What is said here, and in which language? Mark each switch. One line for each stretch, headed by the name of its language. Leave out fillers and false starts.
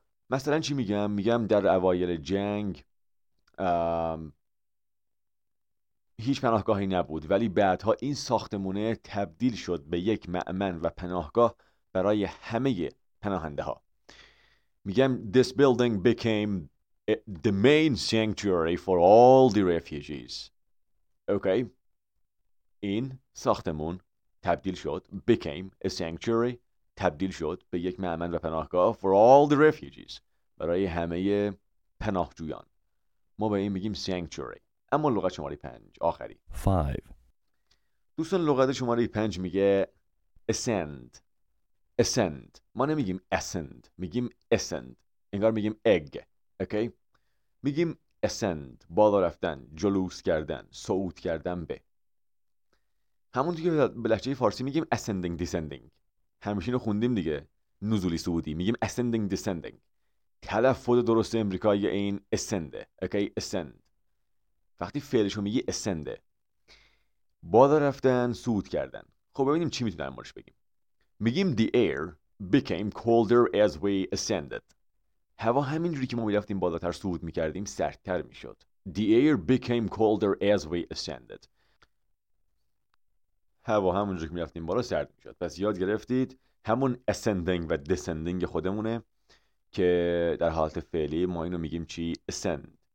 Persian: مثلا چی میگم؟ میگم در اوایل جنگ هیچ پناهگاهی نبود، ولی بعدها این ساختمونه تبدیل شد به یک مأمن و پناهگاه برای همه پناهنده ها. میگم
English: This building became the main sanctuary for all the refugees. Okay.
Persian: این ساختمون تبدیل شد،
English: became a sanctuary،
Persian: تبدیل شد به یک مأمن و پناهگاه
English: for all the refugees،
Persian: برای همه پناهجویان. ما به این میگیم sanctuary. اما لغت شماره 5 آخری. 5. دوستان لغت شماره 5 میگه ascend.
English: Ascend.
Persian: ما نمیگیم ascend، میگیم ascend. انگار میگیم egg. Okay. میگیم ascend، بالا رفتن، جلوس کردن، صعود کردن به. همونطور که به لهجه فارسی میگیم ascending descending. همیشه اینو خوندیم دیگه، نزولی صعودی، میگیم ascending descending. تلفظ درست امریکایی این ascend. Okay, ascend. وقتی فعلشو میگی ascend. بالا رفتن، صعود کردن. خب ببینیم چی میتونیم درمورش بگیم. میگیم
English: the air became colder as we ascended.
Persian: هوا همینجوری که ما میرفتیم بالاتر صعود میکردیم سردتر میشد.
English: The air became colder as we ascended.
Persian: هوا همونجوری که میرفتیم بالا سرد میشد. پس یاد گرفتید همون ascending و descending خودمونه. که در حالت فعلی ما اینو میگیم چی؟ ascend.